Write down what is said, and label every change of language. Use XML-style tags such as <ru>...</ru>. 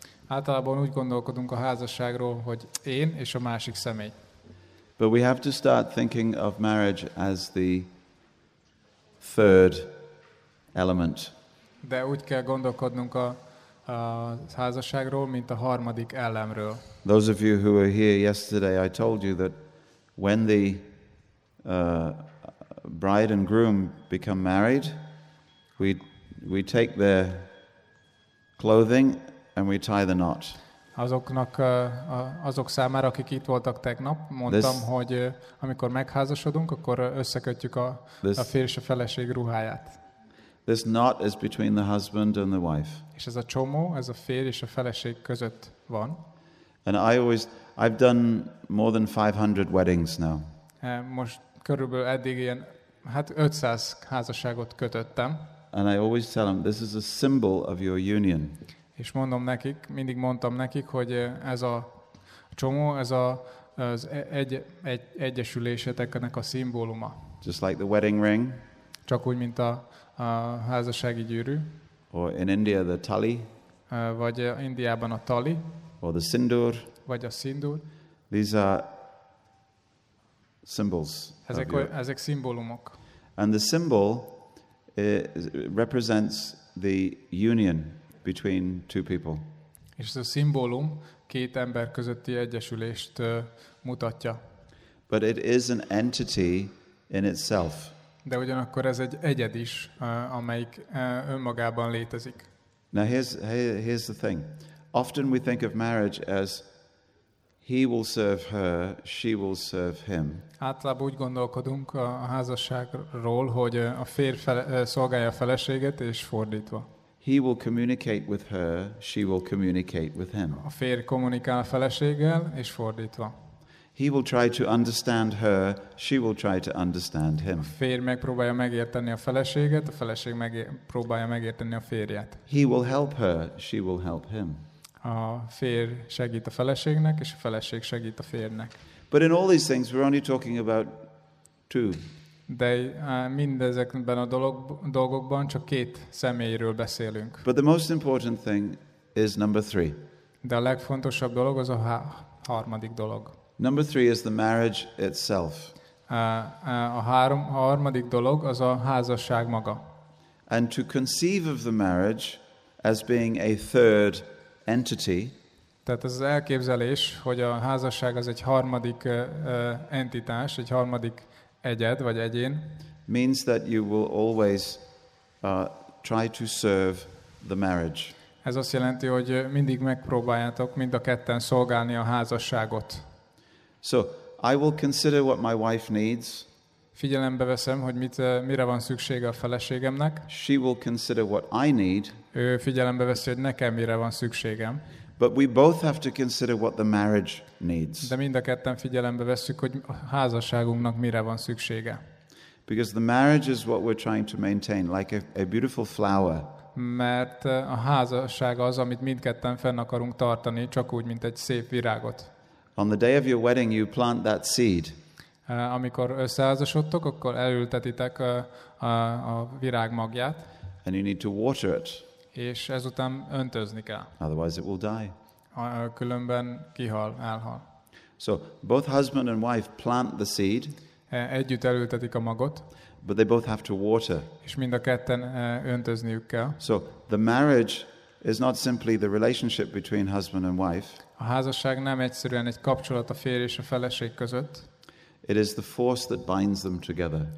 <hu>Általában úgy gondolkodunk a házasságról, hogy én és a másik személy.</hu> <en>But we have to start thinking of marriage as the third element.</en> <hu>De úgy kell gondolkodnunk a házasságról, mint a harmadik elemről.</hu> <en>Those of you who were here yesterday, I told you that when the bride and groom become married, we take their clothing and we tie the knot.</en> <hu>Azoknak azok számára, akik itt voltak tegnap, mondtam, this, hogy amikor megházasodunk, akkor összekötjük a férj és a feleség ruháját.</hu> <en>This knot is between the husband and the wife.</en> <hu>És ez a csomó, ez a férj és a feleség között van.</hu> <en>And I've done more than 500 weddings now.</en> <hu>Most körülbelül eddig ilyen, hát 500 házasságot kötöttem.</hu> <en>And I always tell them, this is a symbol of your union.</en> <hu>És mondom nekik, mindig mondtam nekik, hogy ez a csomó, ez a, az egyesüléseteknek a szimbóluma.</hu> <en>Just like the wedding ring.</en> <hu>Csak úgy, mint a házassági gyűrű.</hu> <en>Or in India, the tali.</en> <hu>Vagy Indiában a tali.</hu> <en>Or the sindur.</en> <hu>Vagy a szindur.</hu> <en>These are symbols.</en> <hu>Ezek szimbólumok.</hu> <en>And the symbol represents the union between two people.</en> <hu>És ez a szimbólum két ember közötti egyesülést mutatja.</hu> <en>But it is an entity in itself.</en> <hu>De ugyanakkor ez egy egyed is, amelyik önmagában létezik.</hu> <en>Now here's the thing. Often we think of marriage as he will serve her, she will serve him.</en> <hu>Általában úgy gondolkodunk a házasságról, hogy a férj szolgálja a feleséget, és fordítva.</hu> <en>He will communicate with her, she will communicate with him.</en> <hu>A férj kommunikál a feleséggel, és fordítva.</hu> <en>He will try to understand her, she will try to understand him.</en> <hu>A férj megpróbálja megérteni a feleséget, a feleség megpróbálja megérteni a férjet.</hu> <en>He will help her, she will help him.</en> <hu>A férj segít a feleségnek, és a feleség segít a férjnek.</hu> <en>But in all these things we're only talking about two.</en> <hu>De mindezekben a dolgokban csak két személyről beszélünk.</hu> <en>But the most important thing is number three.</en> <hu>De a legfontosabb dolog az a harmadik dolog.</hu> <en>Number three is the marriage itself.</en> <hu>A harmadik dolog az a házasság maga.</hu> <en>And to conceive of the marriage as being a third entity.</en> <hu>Tehát ez az elképzelés, hogy a házasság az egy harmadik entitás, egy harmadik egyed vagy egyén.</hu> <en>Means that you will always try to serve the marriage.</en> <hu>Ez azt jelenti, hogy mindig megpróbáljátok mind a ketten szolgálni a házasságot.</hu> <en>So, I will consider what my wife needs.</en> <hu>Figyelembe veszem, hogy mire van szüksége a feleségemnek.</hu> <en>She will consider what I need.</en> <hu>Ő figyelembe veszi, hogy nekem mire van szükségem.</hu> <en>But we both have to consider what the marriage needs.</en> <hu>De mind a ketten figyelembe veszük, hogy a házasságunknak mire van szüksége.</hu> <en>Because the marriage is what we're trying to maintain, like a beautiful flower.</en> <hu>Mert a házasság az, amit mindketten fenn akarunk tartani, csak úgy, mint egy szép virágot.</hu> <en>On the day of your wedding, you plant that seed.</en> <hu>Amikor összeházasodtok, akkor elültetitek a virág magját.</hu> <en>And you need to water it.</en> <hu>És ezután öntözni kell.</hu> <en>Otherwise it will die.</en> <hu>Különben kihal, elhal.</hu> <en>So both husband and wife plant the seed.</en> <hu>Együtt elültetik a magot.</hu> <en>But they both have to water.</en> <hu>És mind a ketten öntözniük kell.</hu> <en>So the marriage is not simply the relationship between husband and wife.</en> <hu>A házasság nem egyszerűen egy kapcsolat a férj és a feleség között.</hu> <en>It is the force that binds them together.</en>